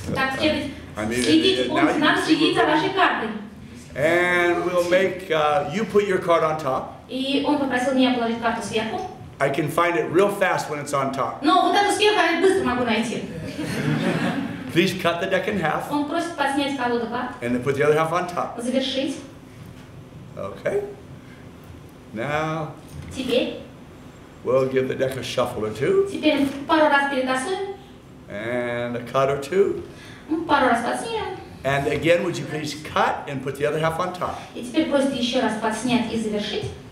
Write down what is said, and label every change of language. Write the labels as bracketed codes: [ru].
[ru] Так, следить за вашей картой. [en] And we'll make, you put your card on top. [ru] И он попросил меня положить карту сверху. [en] I can find it real fast when it's on top. [ru] Но вот эту сверху я быстро могу найти. [en] Please cut the deck in half. [ru] Он просит поснять колоду карт. [en] And then put the other half on top. [ru] Завершить. [en] Okay. Now. [ru] Теперь. [en] We'll give the deck a shuffle or two. [ru] Теперь пару раз перетасуем. [en] And a cut or two. [ru] Пару раз подснимем. [en] And again, would you please cut and put the other half on top? [ru] И теперь просит еще раз подснять и завершить.